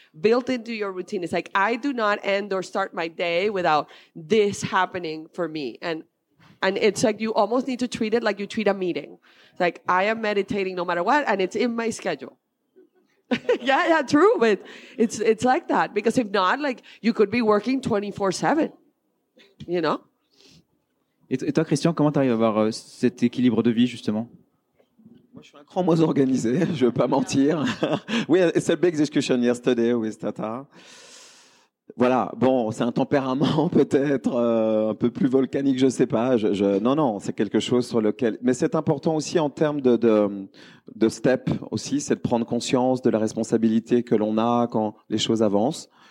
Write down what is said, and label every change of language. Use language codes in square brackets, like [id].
[en] Built into your routine. It's like, I do not end or start my day without this happening for me. And it's like, you almost need to treat it like you treat a meeting. It's like, I am meditating no matter what, and it's in my schedule. yeah, true. But it's like that. Because if not, like, you could be working 24/7, you know? [fr] Et toi, Christian, comment t'arrives à avoir cet équilibre de vie, justement? Moi, je suis un cran moins organisé, je veux pas mentir. [en] Oui, it's a big discussion yesterday with Tata. [fr] Voilà, bon, c'est un tempérament peut-être un peu plus volcanique, je sais pas. Non, c'est quelque chose sur lequel... Mais c'est important aussi en termes de step aussi, c'est de prendre conscience de la responsabilité que l'on a quand les choses avancent.